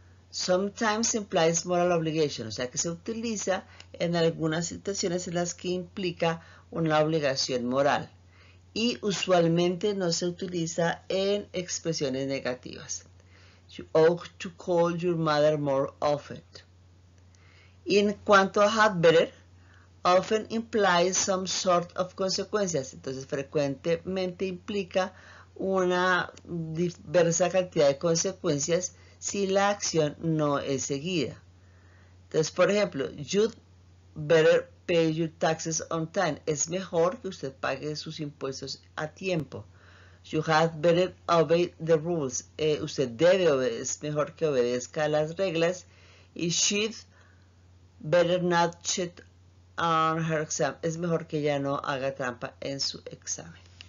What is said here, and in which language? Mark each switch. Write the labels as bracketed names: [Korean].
[English] Sometimes implies moral obligation, [Spanish] o sea que se utiliza en algunas situaciones en las que implica una obligación moral. Y usualmente no se utiliza en expresiones negativas. [English] You ought to call your mother more often. [Spanish] Y en cuanto a had better, often implies some sort of consequences. Entonces, frecuentemente implica una diversa cantidad de consecuencias si la acción no es seguida. Entonces, por ejemplo, [English] you'd better pay your taxes on time. [Spanish] Es mejor que usted pague sus impuestos a tiempo. [English] You had better obey the rules. [Spanish] Usted debe es mejor que obedezca las reglas. [English] Y she'd better not cheat on her exam. [Spanish] Es mejor que ella no haga trampa en su examen.